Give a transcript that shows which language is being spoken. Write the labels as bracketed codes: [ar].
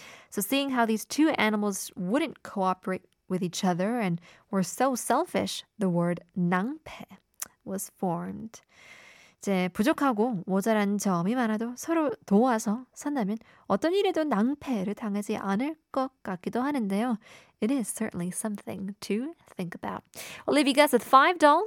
[en] So seeing how these two animals wouldn't cooperate with each other and were so selfish, the word 낭패 was formed. [ko] 이제 부족하고 모자란 점이 많아도 서로 도와서 산다면 어떤 일에도 낭패를 당하지 않을 것 같기도 하는데요. [en] It is certainly something to think about. We'll leave you guys with $5.